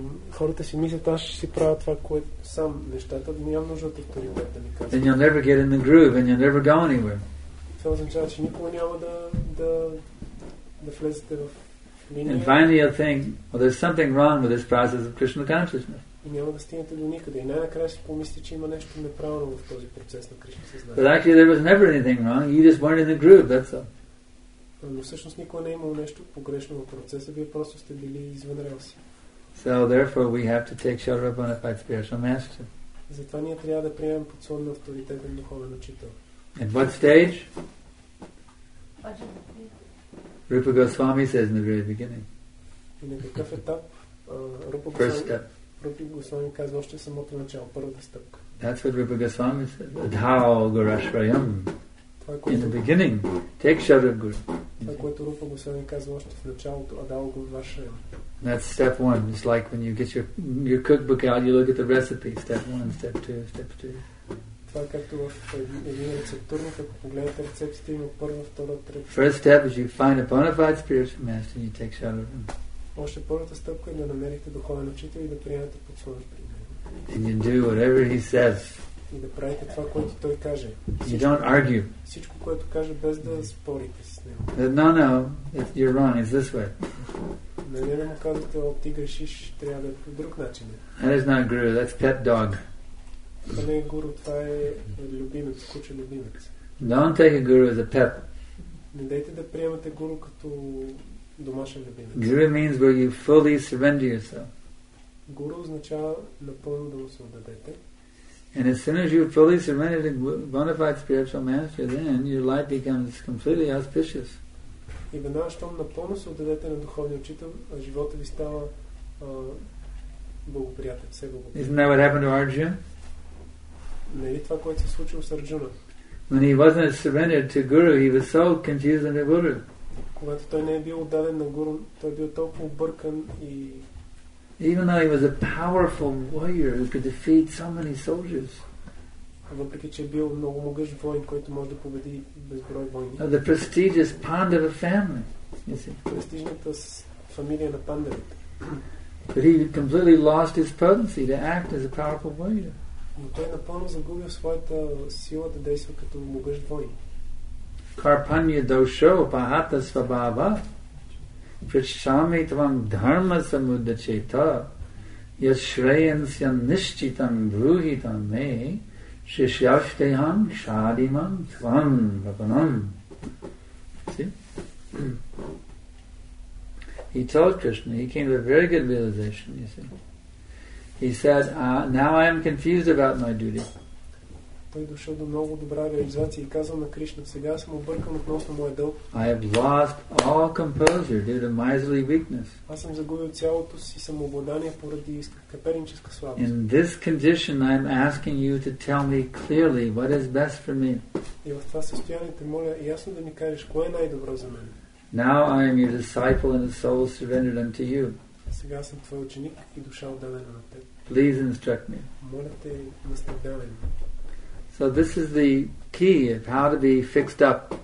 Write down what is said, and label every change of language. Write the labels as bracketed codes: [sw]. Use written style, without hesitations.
[bg] Хората си мислят, аз ще си правя това, което сам нещата, но нямам нужда от авторитет да ми казвам. [en] And you'll never get in the groove, and you'll never go anywhere. [bg] Това означава, че никога няма да влезете в линия. [en] And finally you'll think, well, there's something wrong with this process of Krishna consciousness. [bg] И няма да стигнете до никъде. И най-накрая си помислите, че има нещо неправилно в този процес на Кришна съзнание. [en] But actually there was never anything wrong. You just weren't in the groove, that's all. [bg] Но всъщност никога не е имало нещо погрешно в процеса. Вие просто сте били извън релси. [en] So therefore we have to take shelter of bona fide spiritual master. [bg] Затова ние трябва да приемем подсолна авторитетен духовен учител. [en] At what stage? Ajahn. Rupa Goswami says in the very beginning. In the first step. First step. [bg] Rupa Goswami казва още самото начало, първата стъпка. [en] That's what Rupa Goswami says. [sa] Dhao Gurashrayam. [en] In the beginning. Take shelter of Guru. [bg] Това, което Rupa Goswami казва още в началото, [sa] Dhao Gurashrayam. [en] That's step one. It's like when you get your cookbook out, you look at the recipe. Step one, step two, step three. [bg] Това е както в един рецептурник, ако погледате рецептите, има първа, втора, трета. [en] First step is you find a bona fide spiritual master and you take shelter of him. [bg] Още първата стъпка е да намерите духовен учител и да приемете под своя прикрив. [en] And you do whatever he says. [bg] И да правите това, което той каже. [en] You don't argue. [bg] Всичко, което каже, без да спорите с него. [en] No, you're wrong, it's this way. [bg] Не да му казвате, о, ти грешиш, трябва да е по друг начин. [en] That is not guru, that's pet dog. [bg] Това не е гуру, това е любимец, куче любимец. [en] Don't take a guru as a pet. [bg] Не дайте да приемате гуру като домашен любимец. [en] Guru means where you fully surrender yourself. [bg] Гуру означава напълно да му се отдадете. [en] And as soon as you fully surrender to bona fide spiritual master, then your life becomes completely auspicious. [bg] И веднага, щом напълно се отдадете на духовния учител, живота ви става благоприятен, все благоприятен. [en] Isn't that what happened to Arjuna? [bg] Не ли това, което се случило с Арджуна? [en] When he wasn't surrendered to Guru, he was so confused and bewildered. [bg] когато той не е бил отдаден на гуру, той е бил толкова объркан и [en] even though he was a powerful warrior who could defeat so many soldiers. [bg] Въпреки че е бил много могъщ воин, който може да победи безброй войни. [en] The prestigious Pandava family. [bg] Престижната фамилия на Пандавите. [en] But he completely lost his potency to act as a powerful warrior. [bg] Но той напълно загубил своята сила да действа като могъщ воин. [sa] Karpanya dosho pahata svabhava prishami tvam dharma samudacheta yat shreyansya nishchitam bruhitam me shishyashteham shadimam tvam vapanam. [en] See? He told Krishna, he came to a very good realization, you see. He said, now I am confused about my duty. [bg] Той дошъл до много добра реализация и казал на Кришна, сега съм объркан относно моя дълг. [en] I have lost all composure due to miserly weakness. [bg] Аз съм загубил цялото си самообладание поради скъперническа слабост. [en] In this condition I am asking you to tell me clearly what is best for me. [bg] И в това състояние те моля ясно да ми кажеш кое е най-добро за мен. [en] Now I am your disciple and a soul surrendered unto you. [bg] Сега съм твой ученик и душа отдадена на теб. [en] Please instruct me. [bg] Моля те, наставявай ме. [en] So this is the key of how to be fixed up.